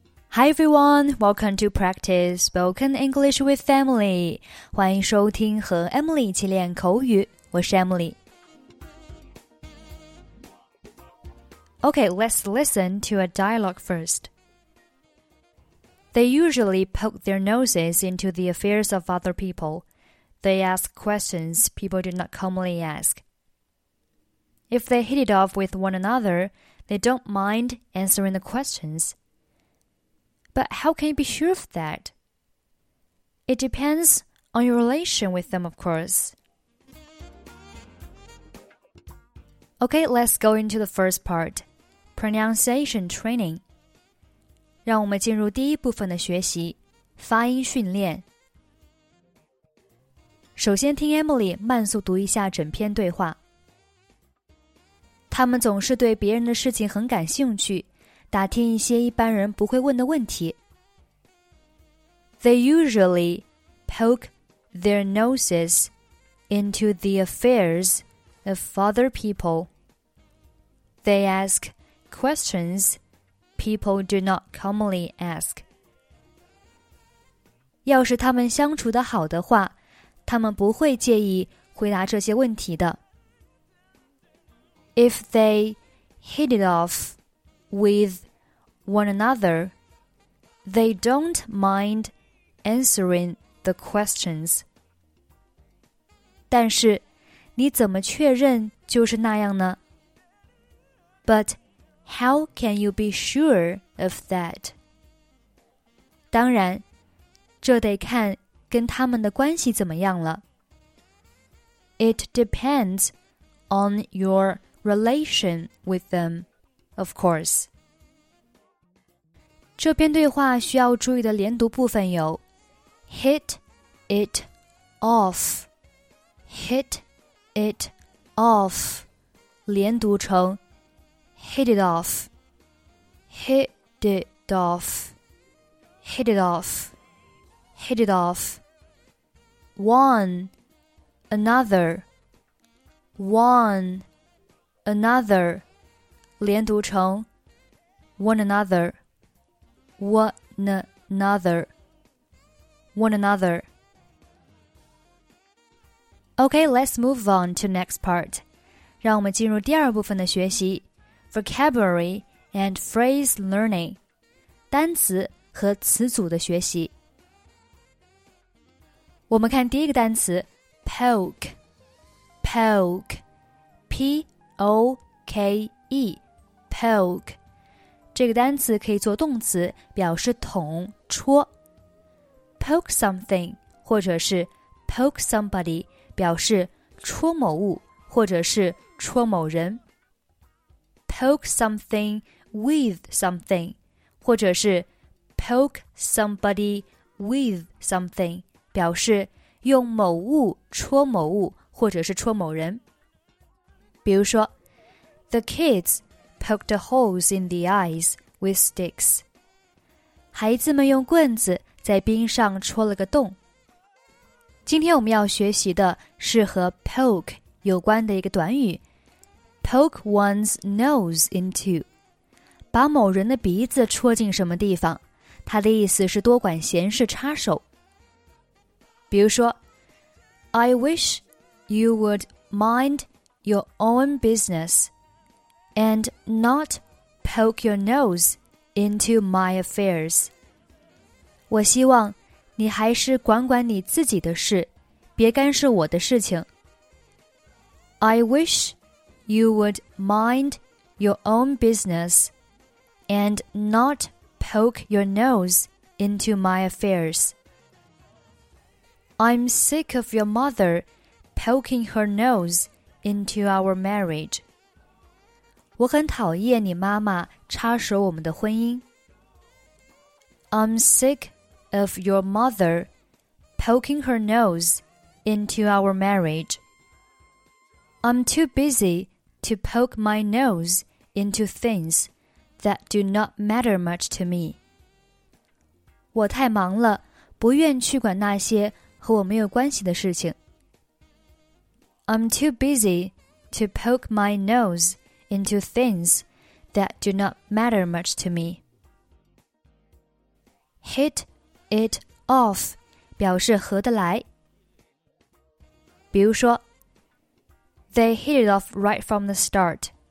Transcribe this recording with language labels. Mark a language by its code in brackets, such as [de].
[en] Hi everyone, welcome to Practice Spoken English with Emily. [zh] 欢迎收听和 Emily 一起练口语，我是 Emily. [en] Okay, let's listen to a dialogue first. They usually poke their noses into the affairs of other people. They ask questions people do not commonly ask. If they hit it off with one another, they don't mind answering the questions. But how can you be sure of that? It depends on your relation with them, of course. Okay, let's go into the first part. Pronunciation training. [zh] 让我们进入第一部分的学习，发音训练。首先听 Emily 慢速读一下整篇对话。他们总是对别人的事情很感兴趣，打听一些一般人不会问的问题。 [en] They usually poke their noses into the affairs of other people. They ask questions people do not commonly ask. [zh] 要是他们相处得好的话，他们不会介意回答这些问题的。 [en] If they hit it off with one another, they don't mindanswering the questions. [zh] 但是你怎么确认就是那样呢? [en] But how can you be sure of that? [zh] 当然这得看跟他们的关系怎么样了。 [en] It depends on your relation with them, of course. [zh] 这篇对话需要注意的连读部分有 [en] Hit it off. Hit it off. [zh] 连读成 [en] Hit it off. Hit it off. Hit it off. Hit it off. One another. One another. [zh] 连读成 [en] One another. One another. One another. Okay, let's move on to next part. [zh] 让我们进入第二部分的学习 [en] Vocabulary and phrase learning. [zh] 单词和词组的学习。我们看第一个单词 Poke. [en] Poke. P-O-K-E. Poke. [zh] 这个单词可以做动词，表示捅、戳。 [en] Poke something, [zh] 或者是 [en] poke somebody, [zh] 表示戳某物或者是戳某人。 [en] Poke something with something, [zh] 或者是 [en] poke somebody with something, [zh] 表示用某物戳某物或者是戳某人。比如说 [en] The kids poked holes in the ice with sticks. [zh] 孩子们用棍子在冰上戳了个洞。今天我们要学习的是和 poke 有关的一个短语 [en] ,poke one's nose into, [zh] 把某人的鼻子戳进什么地方，它的意思是多管闲事插手。比如说 [en] ,I wish you would mind your own business and not poke your nose into my affairs. [zh] 我希望你还是管管你自己的事，别干涉我的事情。 [en] I wish you would mind your own business and not poke your nose into my affairs. I'm sick of your mother poking her nose into our marriage. [zh] 我很讨厌你妈妈插手我们的婚姻。 [en] I'm sick. Of your mother poking her nose into our marriage. I'm too busy to poke my nose into things that do not matter much to me. [zh] 我太忙了，不愿去管那些和我没有关系的事情。 [en] I'm too busy to poke my nose into things that do not matter much to me. hit it off [zh] 表示合得来。比如说 [en] They hit it off right from the start.